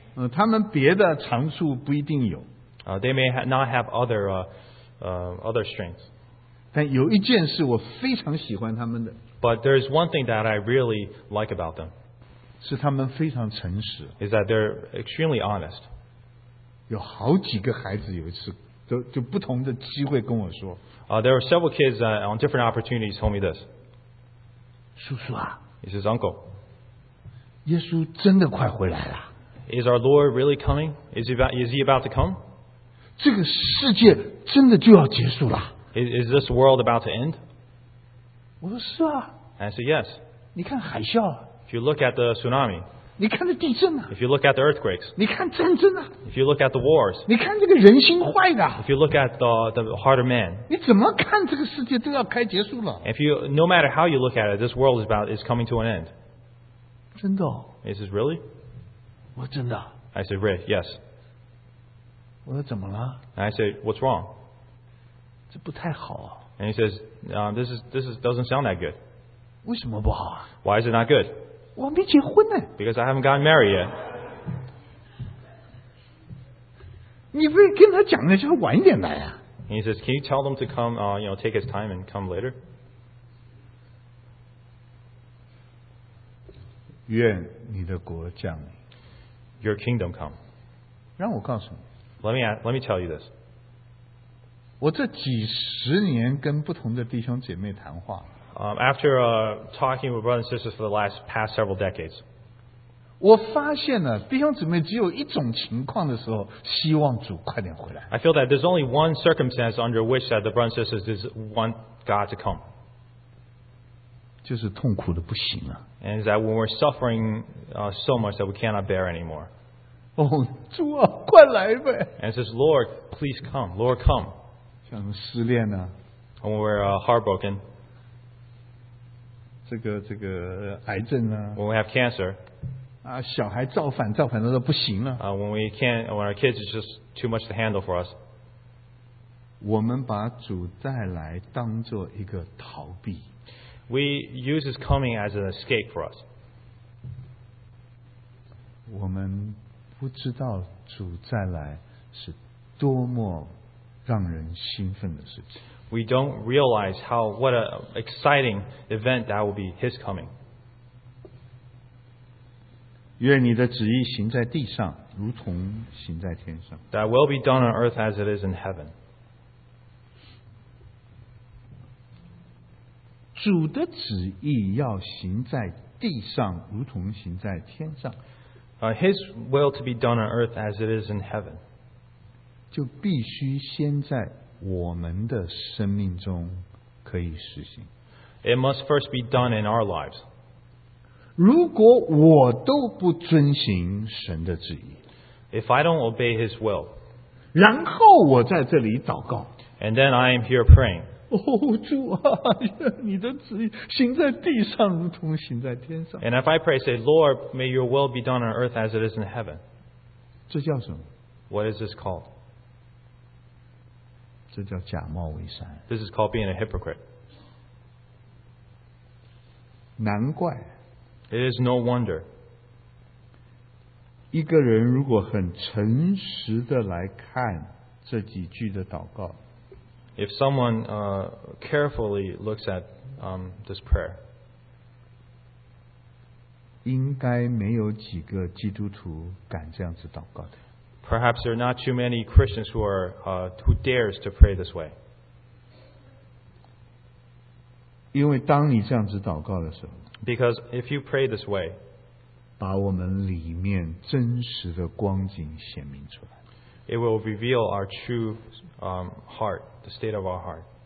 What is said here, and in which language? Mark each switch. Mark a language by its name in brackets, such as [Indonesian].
[Chinese] 他们别的长处不一定有。 [English] They may not have other strengths. [Chinese] 但有一件事我非常喜欢他们的。 [English] But there is one thing that I really like about them. [Chinese] 是他们非常诚实。 [English] Is that they're extremely honest. [Chinese] 有好几个孩子有一次就不同的机会跟我说。 [English] There are several kids on different opportunities told me this. [Chinese] 叔叔啊, [English] he says, Uncle, [Chinese] 耶稣真的快回来了。 [English] Is our Lord really coming? Is he about to come? [Chinese] 这个世界真的就要结束了。 [English] Is this world about to end? [Chinese] 我说是啊。 [English] And I said, yes. [Chinese] 你看海啸。 [English] If you look at the tsunami. [Chinese] 你看这地震啊 [English] If you look at the earthquakes [Chinese] 你看战争啊 [English] If you look at the wars [Chinese] 你看这个人心坏的 [English] If you look at the heart of man [Chinese] 你怎么看这个世界都要开结束了 [English] If you, No matter how you look at it, this world is coming to an end [Chinese] 真的哦 [English] He says, really? [Chinese] 我真的 [English] I said, really, yes [Chinese] 我说怎么了 [English] I said, what's wrong? [Chinese] 这不太好啊 [English] And he says, this doesn't sound that good [Chinese] 为什么不好啊 [English] Why is it not good? [Chinese] 我没结婚呢。 [English] Because I haven't gotten married yet. [Chinese] 你不是跟他讲的就是晚一点来啊。 [English] He says, can you tell them to come, take his time and come later? [Chinese] 愿你的国降临。 [English] Your kingdom come. [Chinese] 让我告诉你。 [English] Let me tell you this. [Chinese] 我这几十年跟不同的弟兄姐妹谈话。 [English] After talking with brothers and sisters for the last past several decades, [Chinese] 我发现了弟兄姊妹只有一种情况的时候希望主快点回来。 [English] I feel that there's only one circumstance under which that the brothers and sisters just want God to come. [Chinese] 就是痛苦的不行啊。 [English] And is that when we're suffering so much that we cannot bear anymore. [Chinese] 哦，主啊，快来呗。 [English] And says, Lord, please come. Lord, come. [Chinese] 像失恋啊。 [English] And when we're heartbroken. [Chinese] 这个癌症啊 [English] When we have cancer [Chinese] 啊小孩造反都不行了、 [English] 啊、When our kids is just too much to handle for us [Chinese] 我们把主再来当作一个逃避 [English] We use his coming as an escape for us [Chinese] 我们不知道主再来是多么让人兴奋的事情 [English] We don't realize what an exciting event that will be His coming. [Chinese] 愿你的旨意行在地上，如同行在天上。 [English] That will be done on earth as it is in heaven. [Chinese] 主的旨意要行在地上，如同行在天上。 [English] His will to be done on earth as it is in heaven. [Chinese] 就必须先在我们的生命中可以实行。 [English] It must first be done in our lives. [Chinese] 如果我都不遵行神的旨意 [English] If I don't obey His will, [Chinese] 然后我在这里祷告 [English] And then I am here praying. [Chinese] 哦，主啊，你的旨意行在地上如同行在天上。 [English] And if I pray, say, Lord, may your will be done on earth as it is in heaven. [Chinese] 这叫什么？ [English] What is this called? [Chinese] 这叫假冒伪善。 [English] This is called being a hypocrite. [Chinese] 难怪。 [English] It is no wonder. [Chinese] 一个人如果很诚实的来看这几句的祷告。 [English] If someone carefully looks at this prayer. [Chinese] 应该没有几个基督徒敢这样子祷告的。 [English] Perhaps there are not too many Christians who dares to pray this way. [Chinese] 因为当你这样子祷告的时候 [English] Because if you pray this way, [Chinese] 把我们里面真实的光景显明出来 [English] It will reveal our true heart, the state of our heart.